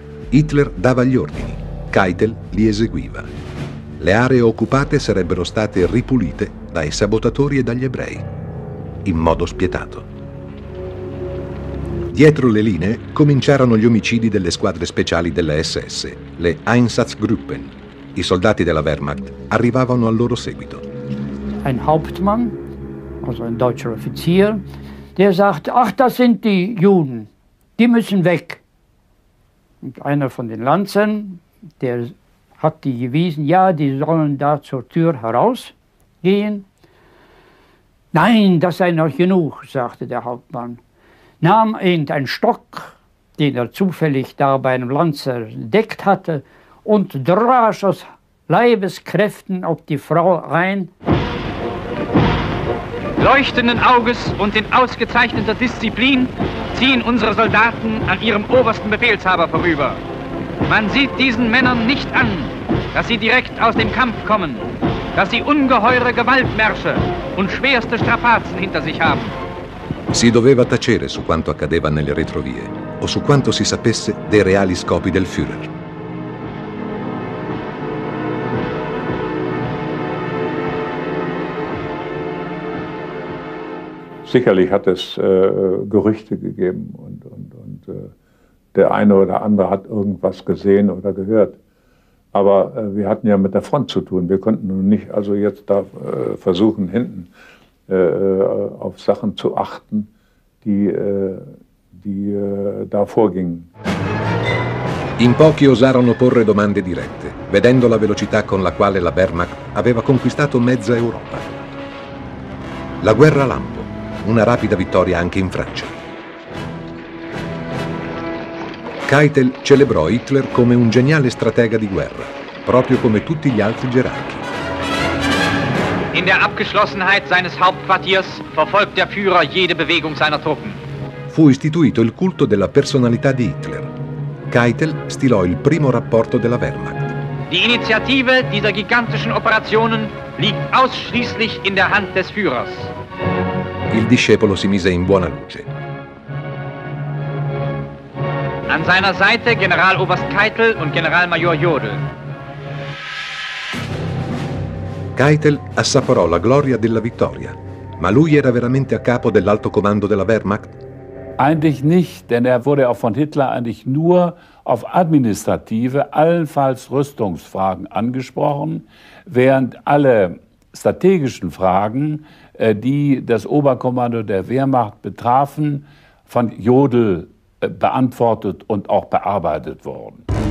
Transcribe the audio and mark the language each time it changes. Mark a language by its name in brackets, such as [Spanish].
[Italian] Hitler dava gli ordini, Keitel li eseguiva. Le aree occupate sarebbero state ripulite dai sabotatori e dagli ebrei, in modo spietato. Dietro le linee cominciarono gli omicidi delle squadre speciali delle SS, le Einsatzgruppen. I soldati della Wehrmacht arrivavano al loro seguito. [German] Ein Hauptmann, also ein deutscher Offizier, der sagt, ach, das sind die Juden, die müssen weg. Und einer von den Lanzern, der hat die gewiesen, ja, die sollen da zur Tür herausgehen. Nein, das sei noch genug, sagte der Hauptmann. Nahm irgendeinen Stock, den er zufällig da bei einem Lanzer entdeckt hatte, und drasch aus Leibeskräften auf die Frau rein. Leuchtenden Auges und in ausgezeichneter Disziplin ziehen unsere Soldaten an ihrem obersten Befehlshaber vorüber. Man sieht diesen Männern nicht an, dass sie direkt aus dem Kampf kommen, dass sie ungeheure Gewaltmärsche und schwerste Strapazen hinter sich haben. [Italian] Si doveva tacere su quanto accadeva nelle retrovie o su quanto si sapesse dei reali scopi del Führer. [German] Sicherlich hat es Gerüchte gegeben und der eine oder andere hat irgendwas gesehen oder gehört. Aber wir hatten ja mit der Front zu tun. Wir konnten nun nicht also jetzt da versuchen, hinten auf Sachen zu achten, die da vorgingen. [Italian] In pochi osarono porre domande dirette, vedendo la velocità con la quale la Wehrmacht aveva conquistato mezza Europa. La guerra lampo. Una rapida vittoria anche in Francia. Keitel celebrò Hitler come un geniale stratega di guerra, proprio come tutti gli altri gerarchi. [German] In der Abgeschlossenheit seines Hauptquartiers verfolgt der Führer jede Bewegung seiner Truppen. [Italian] Fu istituito il culto della personalità di Hitler. Keitel stilò il primo rapporto della Wehrmacht. [German] Die Initiative dieser gigantischen Operationen liegt ausschließlich in der Hand des Führers. [Italian] Il discepolo si mise in buona luce. [German] An seiner Seite Generaloberst Keitel und Generalmajor Jodl. [Italian] Keitel assaporò la gloria della vittoria, ma lui era veramente a capo dell'alto comando della Wehrmacht? [German] Eigentlich nicht, denn wurde auch von Hitler eigentlich nur auf administrative, allenfalls Rüstungsfragen angesprochen, während alle strategischen Fragen, die das Oberkommando der Wehrmacht betrafen, von Jodl beantwortet und auch bearbeitet wurden.